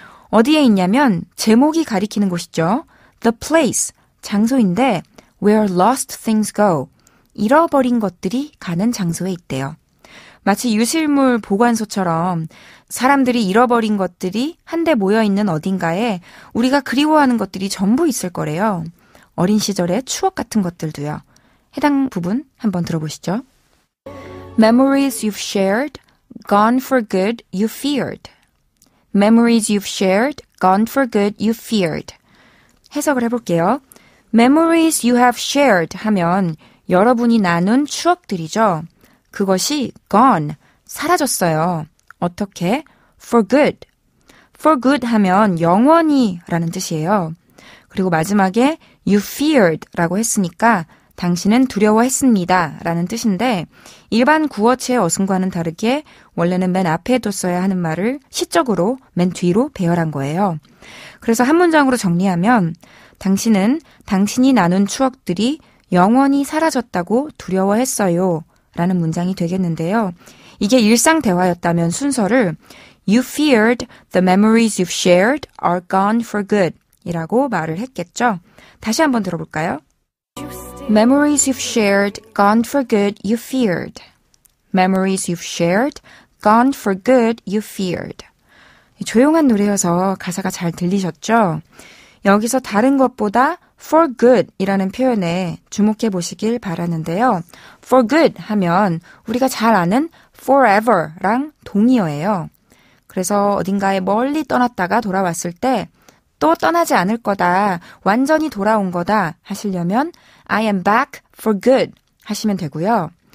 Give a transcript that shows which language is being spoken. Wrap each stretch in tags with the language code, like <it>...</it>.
<ko>어디에 있냐면 제목이 가리키는 곳이죠.</ko> <en>The place,</en> <ko>장소인데</ko> <en>where lost things go,</en> <ko>잃어버린 것들이 가는 장소에 있대요. 마치 유실물 보관소처럼 사람들이 잃어버린 것들이 한데 모여있는 어딘가에 우리가 그리워하는 것들이 전부 있을 거래요. 어린 시절의 추억 같은 것들도요. 해당 부분 한번 들어보시죠.</ko> <en>Memories you've shared, gone for good, you feared. Memories you've shared, gone for good, you feared.</en> <ko>해석을 해볼게요.</ko> <en>Memories you have shared</en> <ko>하면 여러분이 나눈 추억들이죠. 그것이 gone, 사라졌어요. 어떻게? For good. For good 하면 영원히 라는 뜻이에요. 그리고 마지막에</ko> <en>you feared</en> <ko>라고 했으니까 당신은 두려워했습니다 라는 뜻인데 일반 구어체의 어순과는 다르게 원래는 맨 앞에 뒀어야 하는 말을 시적으로 맨 뒤로 배열한 거예요. 그래서 한 문장으로 정리하면 당신은 당신이 나눈 추억들이 영원히 사라졌다고 두려워했어요 라는 문장이 되겠는데요. 이게 일상 대화였다면 순서를</ko> <en>You feared the memories you've shared are gone for good</en> <ko>이라고 말을 했겠죠. 다시 한번 들어볼까요?</ko> <en>Memories you've shared, gone for good, you feared. Memories you've shared, gone for good, you feared.</en> <ko>조용한 노래여서 가사가 잘 들리셨죠? 여기서 다른 것보다</ko> <en>for good</en> <ko>이라는 표현에 주목해 보시길 바라는데요. For good 하면 우리가 잘 아는 forever랑 동의어예요. 그래서 어딘가에 멀리 떠났다가 돌아왔을 때 또 떠나지 않을 거다, 완전히 돌아온 거다 하시려면</ko> <en>I am back for good</en> <ko>하시면 되고요.</ko>